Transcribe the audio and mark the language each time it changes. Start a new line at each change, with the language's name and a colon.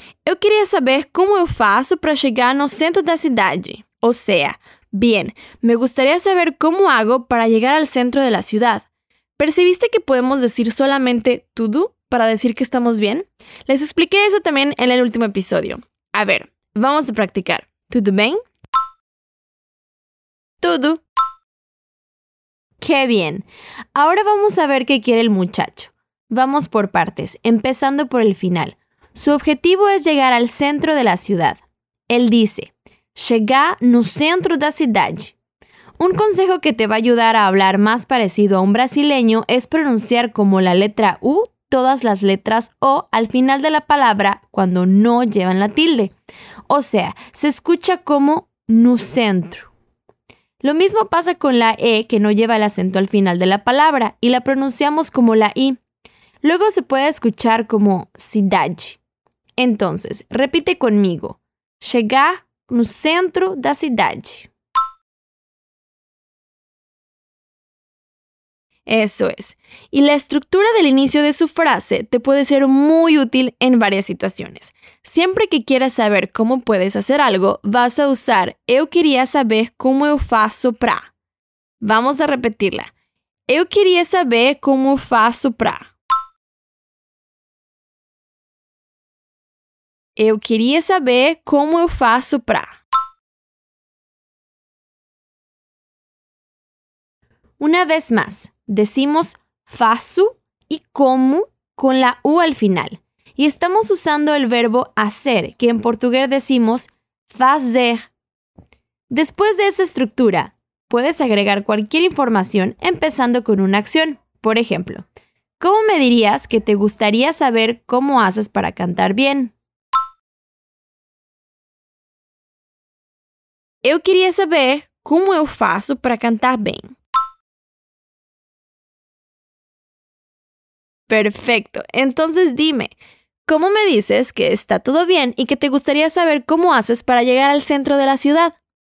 Portuguese: Eu queria saber cómo eu faço para chegar no centro da cidade.
Spanish: O sea, bien, me gustaría saber cómo hago para llegar al centro de la ciudad. ¿Percibiste que podemos decir solamente tudo? Para decir que estamos bien. Les expliqué eso también en el último episodio. A ver, vamos a practicar. ¿Tudo bien? ¿Tudo? ¡Qué bien! Ahora vamos a ver qué quiere el muchacho. Vamos por partes, empezando por el final. Su objetivo es llegar al centro de la ciudad. Él dice,
Portuguese: chegar no centro da cidade.
Spanish: Un consejo que te va a ayudar a hablar más parecido a un brasileño es pronunciar como la letra U, todas las letras O al final de la palabra cuando no llevan la tilde. O sea, se escucha como no centro. Lo mismo pasa con la E que no lleva el acento al final de la palabra y la pronunciamos como la I. Luego se puede escuchar como cidade. Entonces, repite conmigo.
Portuguese: Chegar no centro da cidade.
Spanish: Eso es. Y la estructura del inicio de su frase te puede ser muy útil en varias situaciones. Siempre que quieras saber cómo puedes hacer algo, vas a usar
Portuguese: eu queria saber como eu faço pra.
Spanish: Vamos a repetirla.
Portuguese: Eu queria saber como eu faço pra. Eu queria saber como eu faço pra.
Spanish: Una vez más, decimos faço y como con la U al final. Y estamos usando el verbo hacer, que en portugués decimos fazer. Después de esa estructura, puedes agregar cualquier información empezando con una acción. Por ejemplo, ¿cómo me dirías que te gustaría saber cómo haces para cantar bien?
Portuguese: Eu queria saber como eu faço para cantar bem.
Spanish: Perfecto. Entonces dime, ¿cómo me dices que está todo bien y que te gustaría saber cómo haces para llegar al centro de la ciudad?